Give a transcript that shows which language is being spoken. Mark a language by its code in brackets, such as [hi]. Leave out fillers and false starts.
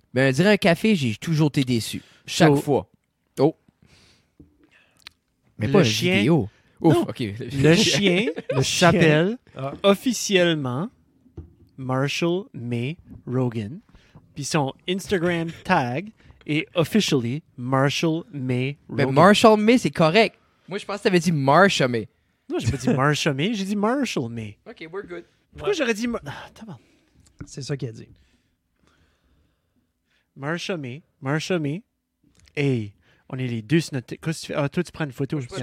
[fr] Mais on dirait un café, j'ai toujours été déçu. Chaque fois. Oh. Mais le pas chien. Vidéo. Ouf, non. OK. Le chien s'appelle officiellement Marshall May Rogan. Puis son Instagram tag... Et [en] officially, [fr] Marshall May Rogan. Mais Marshall May, c'est correct. Moi, je pense que tu avais dit Marshall May. Non, j'ai pas dit Marshall May, j'ai dit Marshall May. [en] OK, we're good. [fr] Pourquoi j'aurais dit... Attends. C'est ça qu'il a dit. Marshall May. Hey, on est les deux sur notre... Qu'est-ce que tu fais? Ah, toi, tu prends une photo.